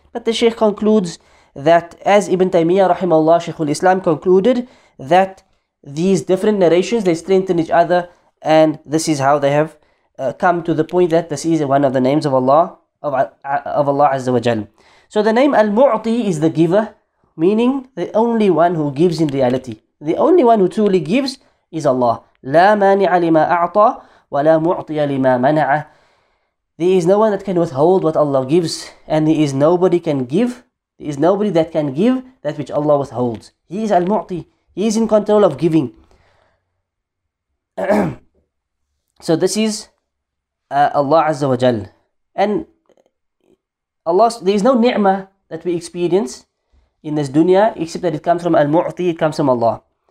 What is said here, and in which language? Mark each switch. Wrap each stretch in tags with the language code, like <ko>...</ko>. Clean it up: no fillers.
<en>But the Shaykh concludes that, as Ibn Taymiyyah rahimahullah, Shaykh al-Islam concluded, that these different narrations, they strengthen each other, and this is how they have come to the point that this is one of the names of Allah Azza wa Jal. So the name Al-Mu'ti is the giver, meaning the only one who gives in reality. The only one who truly gives is Allah.</en> <ar>لا مانع لما أعطى ولا معطي لما منع.</ar> <en>There is no one that can withhold what Allah gives, and there is nobody can give. There is nobody that can give that which Allah withholds. He is Al-Mu'ti. He is in control of giving. So this is Allah Azza wa Jal. And Allah, there is no ni'mah that we experience in this dunya except that it comes from Al-Mu'ti, it comes from Allah.</en>